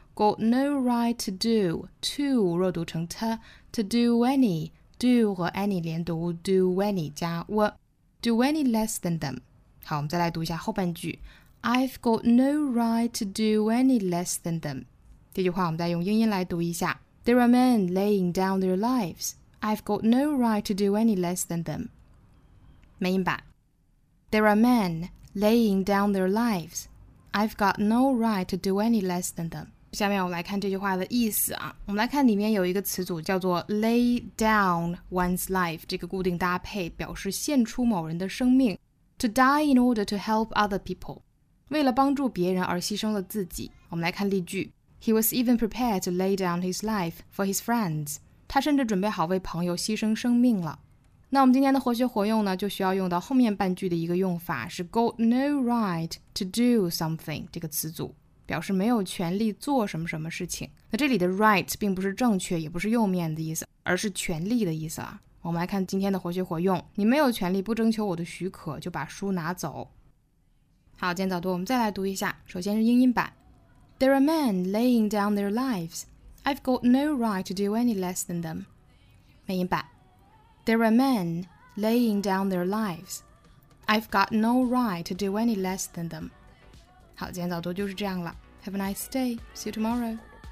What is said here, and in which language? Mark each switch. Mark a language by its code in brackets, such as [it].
[en] Got no right to do to [zh] 若读成 [en] to do any， do 和 any 连读， do any 加 w， do any less than them。 [zh] 好，我们再来读一下后半句 [en] I've got no right to do any less than them。 [zh] 这句话我们再用英音来读一下。 [en] There are men laying down their lives. I've got no right to do any less than them. [zh] 美音版。 [en] There are men laying down their lives. I've got no right to do any less than them. [zh] 下面我们来看这句话的意思啊。我们来看里面有一个词组叫做 [en] lay down one's life， [zh] 这个固定搭配表示献出某人的生命。 [en] To die in order to help other people， [zh] 为了帮助别人而牺牲了自己。我们来看例句。 [en] He was even prepared to lay down his life for his friends. [zh] 他甚至准备好为朋友牺牲生命了。那我们今天的活学活用呢，就需要用到后面半句的一个用法，是 [en] got no right to do something [zh] 这个词组，表示没有权利做什么什么事情。那这里的 right 并不是正确，也不是右面的意思，而是权利的意思啊。我们来看今天的活学活用，你没有权利不征求我的许可就把书拿走。好，今天早读我们再来读一下，首先是英音版。 [en] There are men laying down their lives. I've got no right to do any less than them. [zh] 美音版。 [en] There are men laying down their lives. I've got no right to do any less than them. [zh] 好，今天早读就是这样了。 [en] Have a nice day. See you tomorrow.